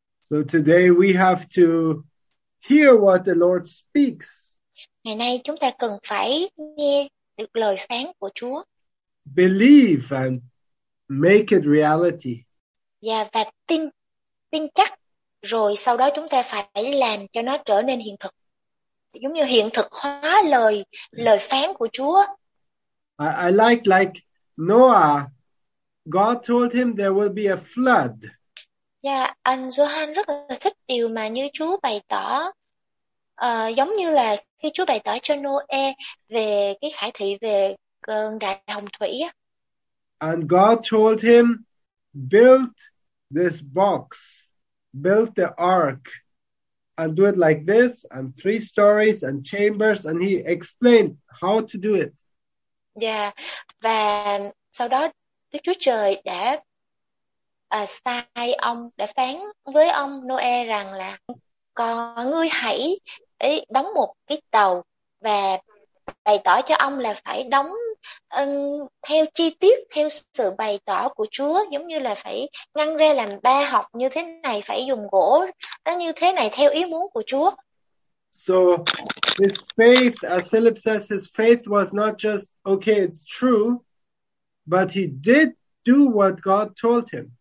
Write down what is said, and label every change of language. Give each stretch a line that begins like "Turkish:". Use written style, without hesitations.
English: So today we have to hear what the Lord speaks.
Vietnamese: Ngày nay chúng ta cần phải nghe được lời phán của Chúa.
English: Believe and make it reality.
Vietnamese: Và tin chắc, rồi sau đó chúng ta phải làm cho nó trở nên hiện thực, giống như hiện thực hóa lời phán của Chúa.
English: I like Noah, God told him there will be a flood.
Vietnamese: Anh Johan rất là thích điều mà như Chúa bày tỏ, giống như là khi Chúa bày tỏ cho Noe về cái khải thị về cơn đại hồng thủy.
English: And God told him, build this box, build the ark, and do it like this, and three stories and chambers, and he explained how to do it.
Vietnamese: Và sau đó Đức Chúa Trời đã sai ông, đã phán với ông Noe rằng là con ngươi hãy đóng một cái tàu và bày tỏ cho ông là phải đóng theo chi tiết, theo sự bày tỏ của Chúa, giống như là phải ngăn ra làm ba học như thế này, phải dùng gỗ như thế này theo ý muốn của Chúa.
English: So his faith, as Philip says, his faith was not just okay, it's true, but he did do what God told him.